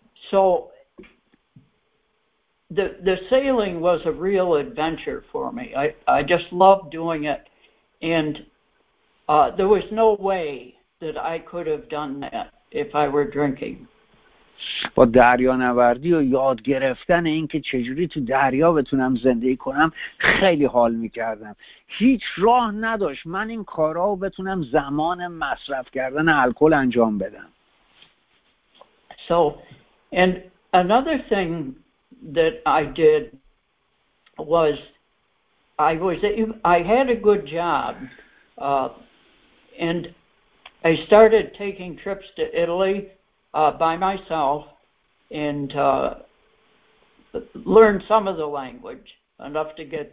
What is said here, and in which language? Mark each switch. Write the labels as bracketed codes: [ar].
[en] So the sailing was a real adventure for me. I just loved doing it. And there was no way that I could have done that if I were drinking. [fa] با دریا نوردی و یاد گرفتن اینکه چجوری تو دریا بتونم زندگی کنم خیلی حال میکردم. هیچ راه نداشت من این کارا رو بتونم زمان مصرف کردن الکل انجام بدم. [en] So, and another thing that I did was I had a good job, and I started taking trips to Italy by myself and learned some of the language enough to get.